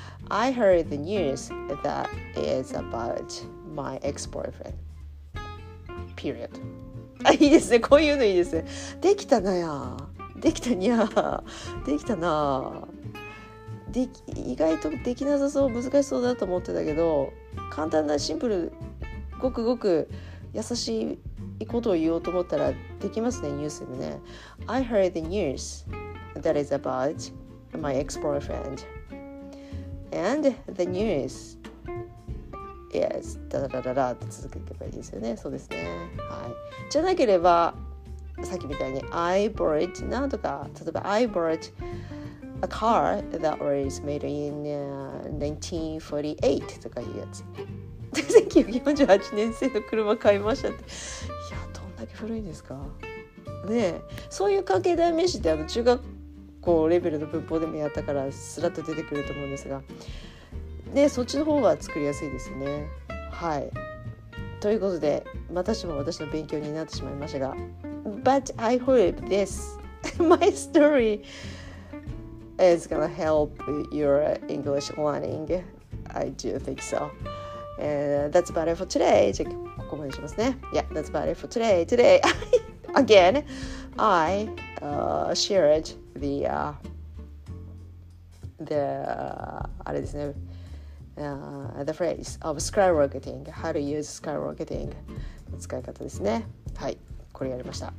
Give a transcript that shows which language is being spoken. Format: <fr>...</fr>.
<en>I heard the news that is about my ex-boyfriend.</en> <ja>Period. いいですね。こういうのいいですね。できたなや。できたにゃ。できたな。でき、意外とできなさそう、難しそうだと思ってたけど、簡単なシンプル、ごくごく優しいことを言おうと思ったらできますね、ニュースでね。</ja> <en>I heard the news that is about my ex-boyfriend and the news</en> <ja>Yes, ダダダダダって続けていけばいいですよね。そうですね。はい。じゃなければ、さっきみたいに</ja> <en>I bought</en> <ja>なんとか、例えば</ja> <en>I bought a car that was made in 1948</en> <ja>とかいうやつ。 1948年製の車買いましたって。いや、どんだけ古いんですか。ねえ、そういう関係代名詞って中学校レベルの文法でもやったからスラッと出てくると思うんですが、ね、そっちの方は作りやすいですね。はい。ということで、またしても私の勉強になってしまいましたが、</ja> <en>But I hope this my story is gonna help your English learning. I do think so. That's about it for today.</en> <ja>じゃあここまでしますね。</ja> <en>Yeah, that's about it for today. Today again, I shared the phrase of skyrocketing. How to use skyrocketing.</en> <ja>使い方ですね。はい、これやりました。</ja>